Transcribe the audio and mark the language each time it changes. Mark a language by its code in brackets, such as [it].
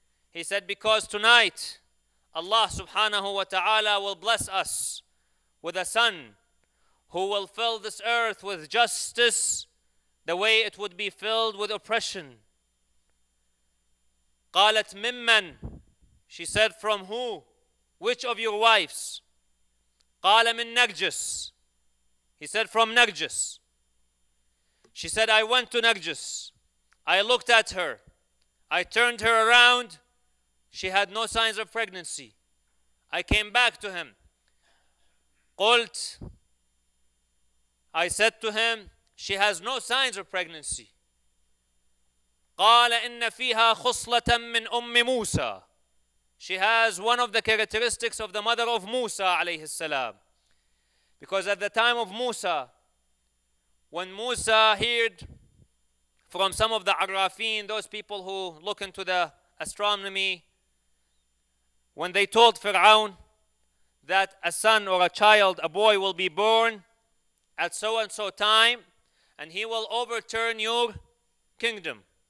[en] He said, because tonight Allah subhanahu wa ta'ala will bless us with a son who will fill this earth with justice the way it would be filled with oppression. [ar] قالت ممن, [en] she said, from who? Which of your wives? [ar] قال من [en] نرجس, he said, from نرجس. She said, I went to نرجس. I looked at her. I turned her around. She had no signs of pregnancy. I came back to him. [ar] قلت, [en] I said to him, she has no signs of pregnancy. [ar] قال إن فيها خصلة من أم موسى. [en] She has one of the characteristics of the mother of Musa [ar] عليه السلام. [en] Because at the time of Musa, when Musa heard from some of the Arrafin, those people who look into the astronomy, when they told Fir'aun that a son or a child, a boy will be born at so and so time, and he will overturn your kingdom.